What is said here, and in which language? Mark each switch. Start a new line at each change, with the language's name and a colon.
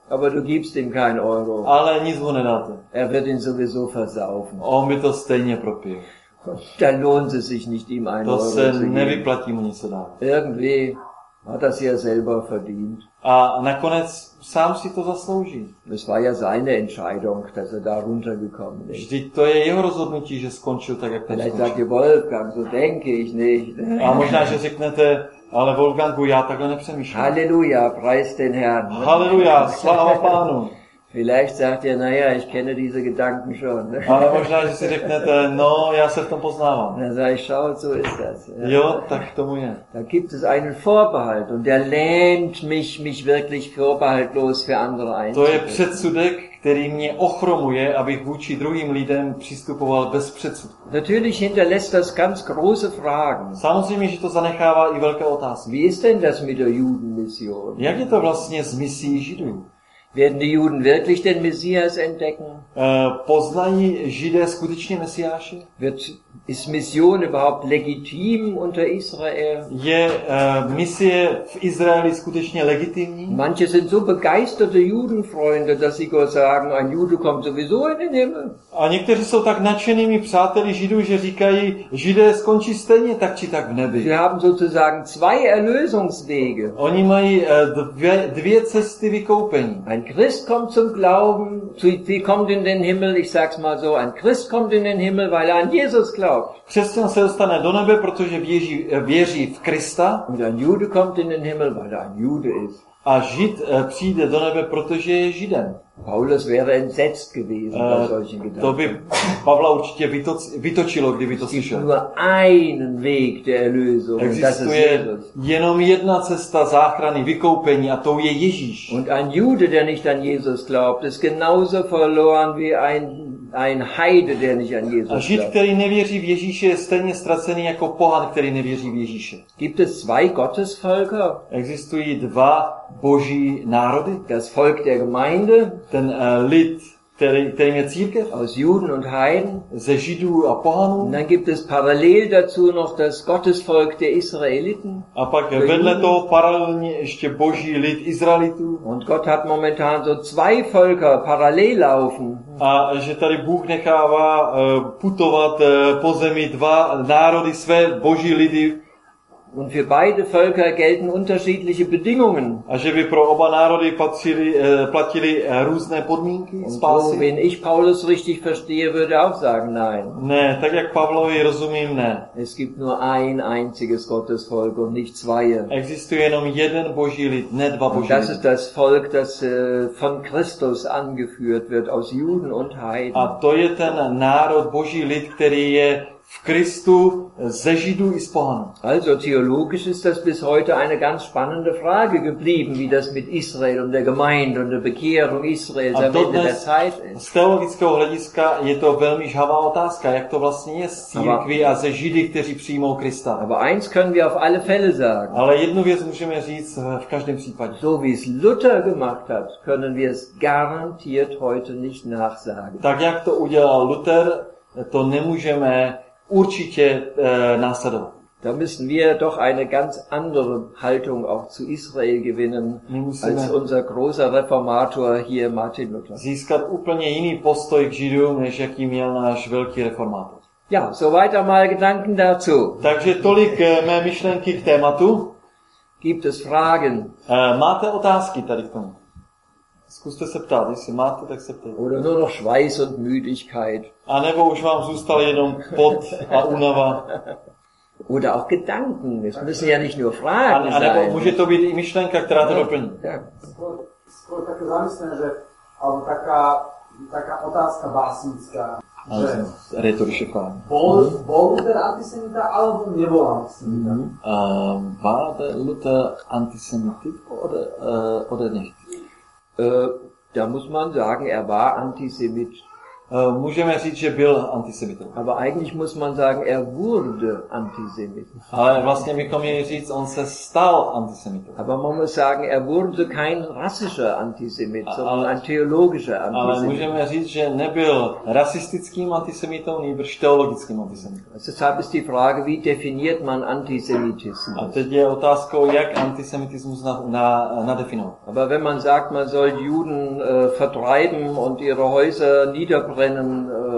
German: Aber du gibst ihm kein Euro.
Czech: Ale nic mu nedáte.
German: Er wird ihn sowieso versaufen.
Czech: On by to stejně propije.
German: Da lohnt es sich nicht, ihm 1 Euro zu geben.
Czech: To se nevyplatí mu nic dát.
German: Irgendwie hat das ja selber verdient.
Czech: A nakonec sám si to zaslouží.
German: Es war ja seine Entscheidung, dass er da runtergekommen ist.
Czech: Vždyť to je jeho rozhodnutí, že skončil tak, jak ten skončil.
German: Vielleicht sagt Wolfgang, so denke ich nicht.
Czech: A možná, že řeknete, ale Wolfgangu, já takhle nepřemýšlím.
German: Halleluja, preis den Herrn.
Czech: Halleluja, sláva Pánu.
German: Vielleicht sagt ihr, naja, ich kenne diese Gedanken schon.
Czech: Ale možná, že si řeknete, no, já se v tom poznávám.
German: Na, ich schaue, so ist das.
Czech: Jo, tak tomu je.
German: Da gibt es einen Vorbehalt und der lähmt mich, mich wirklich vorbehaltlos für andere einzutreten.
Czech: To je předsudek, který mě ochromuje, abych vůči druhým lidem přistupoval bez předsudku.
German: Natürlich hinterlässt das ganz große Fragen.
Czech: Samozřejmě, že to zanechává i velké otázky.
German: Wie ist denn das mit der Judenmission?
Czech: Jak je to vlastně s misí Židů?
German: Werden die Juden wirklich den Messias entdecken?
Czech: Poznají Židé skutečně Mesiáše?
German: Ist Mission überhaupt legitim unter Israel?
Czech: Je misie v Izraeli skutečně legitimní?
German: Manche sind so begeisterte Judenfreunde, dass sie sagen, ein Jude kommt sowieso in den Himmel.
Czech: A někteří jsou tak nadšenými přáteli Židů, že říkají, Židé skončí stejně tak či tak v nebi.
German: Sie haben sozusagen zwei Erlösungswege.
Czech: Oni mají dvě cesty vykoupení.
German: Ein Christ kommt zum Glauben, wie kommt in den Himmel? Ich sag's mal so, ein Christ kommt in den Himmel, weil er an Jesus glaubt.
Czech: Křesťan se dostane do nebe, protože věří v Krista.
German: Und ein Jude kommt in den Himmel, weil er ein Jude ist.
Czech: A Žid přijde do nebe, protože je Židem.
German: Paulus wäre entsetzt gewesen bei solchen Gedanken.
Czech: To by Pavla určitě vytočilo, kdyby to slyšel.
German: Nur einen Weg der Erlösung, das ist Jesus.
Czech: Jenom jedna cesta záchrany, vykoupení, a tou je Ježíš.
German: Und ein Jude, der nicht an Jesus glaubt, ist genauso verloren wie ein Heide, der nicht an Jesus glaubt.
Czech: A Žid, který nevěří v Ježíše, je stejně ztracený jako pohan, který nevěří v Ježíše.
German: Gibt es zwei Gottesvölker?
Czech: Existují dva Boží národy?
German: Das Volk der Gemeinde?
Czech: Ten lid, kterým je církev?
German: Aus Juden und Heiden?
Czech: Ze Židů a pohanů?
German: Und dann gibt es parallel dazu noch das Gottesvolk der Israeliten?
Czech: A pak vedle toho paralelně ještě Boží lid Izraelitů?
German: Und Gott hat momentan so zwei Völker parallel laufen.
Czech: A že tady Bůh nechává putovat po zemi dva národy, své Boží lidy.
German: Und für beide Völker gelten unterschiedliche Bedingungen.
Czech: A že by pro oba národy platili různé podmínky spásy.
German: Und so, wenn ich Paulus richtig verstehe, würde auch sagen nein.
Czech: Ne, tak jak Pavlovi rozumím, ne.
German: Es gibt nur ein einziges Gottesvolk und nicht zwei.
Czech: Existuje jenom jeden Boží lid, ne dva Boží lidi.
German: Das ist das Volk, das von Christus angeführt wird, aus Juden und Heiden.
Czech: A to je ten národ, Boží lid, který je v Kristu, ze Židů i z pohanů.
German: Also theologisch ist das bis heute eine ganz spannende Frage geblieben, wie das mit Israel und der Gemeinde und der Bekehrung Israels am Ende der Zeit ist.
Czech: Z teologického hlediska je to velmi žhavá otázka, jak to vlastně je s církví a ze Židy, kteří přijmou Krista.
German: Aber eins können wir auf alle Fälle sagen.
Czech: Ale jednu věc můžeme říct v každém případě.
German: So wie es Luther gemacht hat, können wir es garantiert heute nicht nachsagen.
Czech: Tak jak to udělal Luther, to nemůžeme určitě následovat.
German: Da müssen wir doch eine ganz andere Haltung auch zu Israel gewinnen als unser großer Reformator hier Martin Luther.
Czech: Získat úplně jiný postoj k Židům, než jaký měl náš velký reformátor.
German: Ja, so weiter mal Gedanken dazu.
Czech: Takže tolik mé myšlenky k tématu.
German: Gibt es Fragen?
Czech: Máte otázky tady k tomu? Zkuste se ptát, jestli máte, tak se ptejte.
German: Oder nur noch Schweiß und Müdigkeit.
Czech: A nebo už vám zůstal jenom pot a únava.
German: Oder auch Gedanken. Es müssen ja nicht nur Fragen sein.
Czech: Ale, může to být i myšlenka, která to doplní.
Slovak: Skoro také zamyslené, že alebo taká otázka básnická. Ale že retoriše fajn. Bol Luther antisemita, alebo nebol antisemita?
German: War der Luther antisemitik oder nicht? Da muss man sagen, er war antisemit.
Czech: Můžeme říct, že byl antisemitem.
German: Aber eigentlich muss man sagen, er wurde antisemit.
Czech: Ale vlastně bychom měli říct, on se stal antisemitem.
German: Aber man muss sagen, er wurde kein rassischer antisemit, sondern ein theologischer antisemit.
Czech: Ale můžeme říct, že nebyl rasistickým antisemitem, nýbrž teologickým antisemitem.
German: Deshalb ist die Frage, wie definiert man antisemitismus?
Czech: A teď je otázkou, jak antisemitismus nadefinovat.
German: Aber wenn man sagt, man soll Juden vertreiben und ihre Häuser niederbrennen,